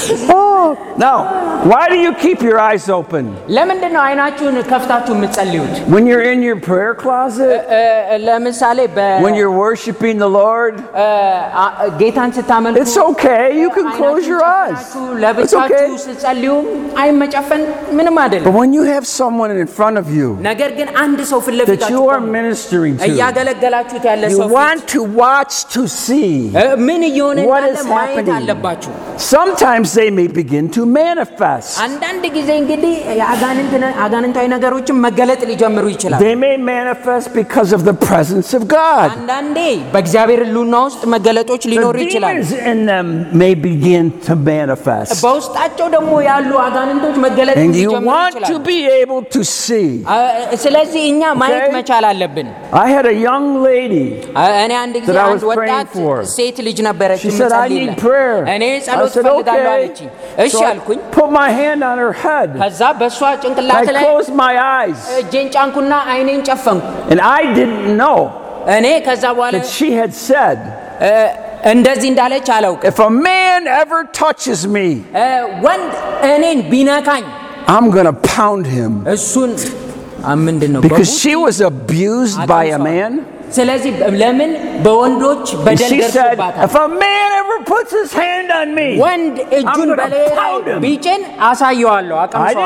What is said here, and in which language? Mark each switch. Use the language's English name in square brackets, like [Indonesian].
[English] Oh, now, why do you keep your eyes open? [Amharic] ለምንድነው አይናችሁን ከፍታችሁ የምትጸልዩት? [English] When you're in your prayer closet? [Amharic] ለምሳሌ በ [English] When you're worshiping the Lord? [Amharic] ጌታን ስታመልኩ? [English] It's okay, you can close your eyes. [Amharic] ለብቻችሁ ስትጸልዩ አይን መጨፈን ምንም አይደለም። [English] But when you have someone in front of you? [Amharic] ነገር ግን አንድ ሰው ፊት ለፊት [English] አለ። You are ministering to. [Amharic] እያገለገላችሁት ያለ ሰው [English] ፊት You want to watch to see. [Amharic] ምን ይሆን እንደማለ ማየት አለባችሁ። [English] Sometimes they may begin to manifest. [Amharic] አንዳንድ ጊዜ እንግዲህ አጋንንታዊ ነገሮችም መገለጥ ሊጀምሩ ይችላል. [English] They may manifest because of the presence of God. [Amharic] አንዳንዴ በእግዚአብሔር ልዑልነት ውስጥ መገለጦች ሊኖር ይችላል. [English] Demons in them may begin to manifest. [Amharic] በውስጣቸው ደግሞ ያሉ አጋንንቶች መገለጥ ሊጀምሩ ይችላል. [English] You want to be able to see. [Amharic] ስለዚህ እኛ ማየት መቻል አለብን. [English] I had a young lady. [Amharic] እኔ አንድ ጊዜ አንድ ወጣት ሴት ልጅ ነበረች ምትጸልይ. እኔ ጸሎት ፈልጋለሁ. እሺ አልኩኝ. [English] Put my hand on her head. [Amharic] ከዛ በሷ ጭንቅላት ላይ [English] I closed my eyes. [Amharic] እጄን ጫንኩና አይኔን ጨፈንኩ. [English] And I didn't know. [Amharic] እኔ ከዛ በኋላ [English] that she had said. [Amharic] እንደዚህ እንዳለች አላውቅ. [English] If a man ever touches me. [Amharic] When እኔን ቢነካኝ [English] I'm going to pound him. [Amharic] እሱን አምንድነው. [English] Because she was abused by a man. [Amharic] ስለዚህ ለምን በወንዶች በደል ደርሶባታል? [English] If a man ever puts his hand on me. [Amharic] ወንድ እጁን በላይ ቢጭን አሳየዋለሁ አቀምሰዋለሁ.